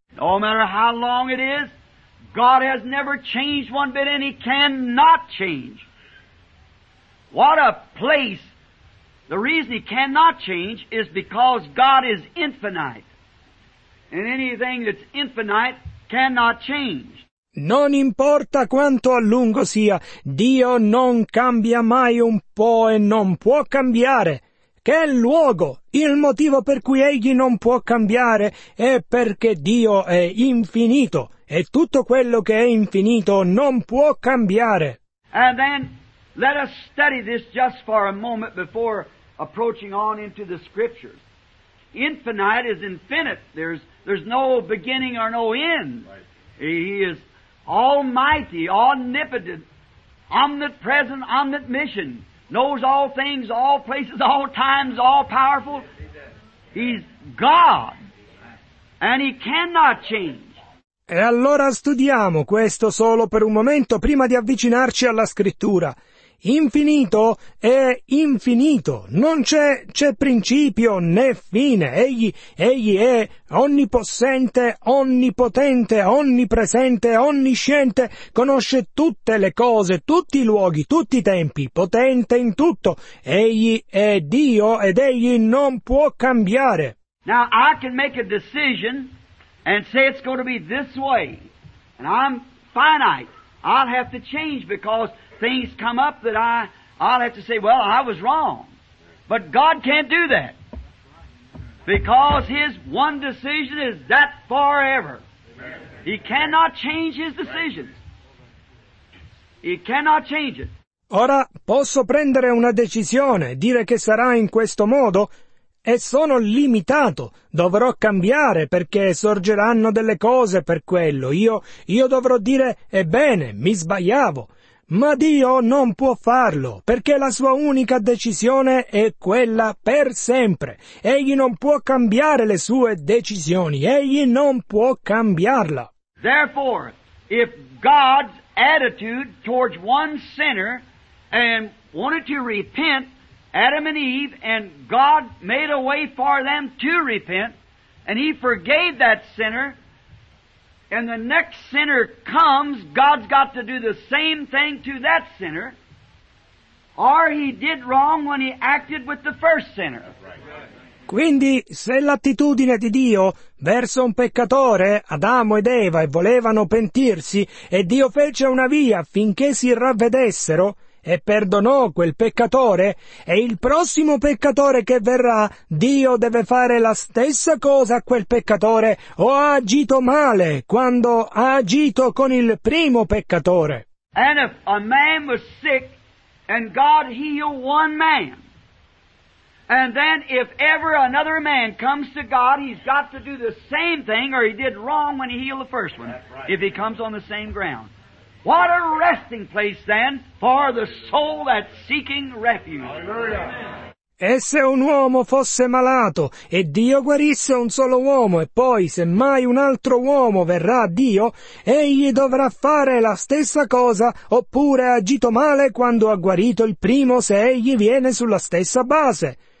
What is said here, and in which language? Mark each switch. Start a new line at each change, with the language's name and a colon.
English: No matter how long it is, God has never changed one bit and He cannot change. What a place! The reason He cannot change is because God is infinite. And anything that's infinite cannot change.
Italian: Non importa quanto a lungo sia, Dio non cambia mai un po' e non può cambiare. Che luogo! Il motivo per cui Egli non può cambiare è perché Dio è infinito. E tutto quello che è infinito non può cambiare.
English: And then, let us study this just for a moment before approaching on into the Scriptures. Infinite is infinite. There's no beginning or no end. Right. He is almighty, omnipotent, omnipresent, omniscient, knows all things, all places, all times, all powerful. He's God. And He cannot change.
Italian: E allora studiamo questo solo per un momento prima di avvicinarci alla Scrittura. Infinito è infinito, non c'è principio né fine. Egli è onnipossente, onnipotente, onnipresente, onnisciente, conosce tutte le cose, tutti i luoghi, tutti i tempi, potente in tutto. Egli è Dio ed Egli non può cambiare.
English: Now I can make a decision and say it's going to be this way, and I'm finite. I'll have to change because things come up that I'll have to say, well, I was wrong. But God can't do that because His one decision is that forever. Amen. He cannot change His decision. He cannot change it.
Italian: Ora posso prendere una decisione, dire che sarà in questo modo? E sono limitato, dovrò cambiare perché sorgeranno delle cose per quello. Io dovrò dire, ebbene, mi sbagliavo. Ma Dio non può farlo, perché la sua unica decisione è quella per sempre. Egli non può cambiare le sue decisioni, Egli non può cambiarla.
English: Therefore, if God's attitude towards one sinner and wanted to repent, Adam and Eve, and God made a way for them to repent, and He forgave that sinner, and the next sinner comes, God's got to do the same thing to that sinner, or He did wrong when He acted with the first sinner.
Italian: Quindi, se l'attitudine di Dio verso un peccatore, Adamo ed Eva, e volevano pentirsi, e Dio fece una via affinché si ravvedessero, e perdonò quel peccatore, e il prossimo peccatore che verrà, Dio deve fare la stessa cosa a quel peccatore, o ha agito male quando ha agito con il primo peccatore.
English: And if a man was sick, and God healed one man, and then if ever another man comes to God, he's got to do the same thing, or he did wrong when he healed the first one, right. If he comes on the same ground. What a resting place then for the soul that's seeking refuge.
Italian: E se un uomo fosse malato e Dio guarisse un solo uomo e poi se mai un altro uomo verrà a Dio, egli dovrà fare la stessa cosa oppure ha agito male quando ha guarito il primo se egli viene sulla stessa base.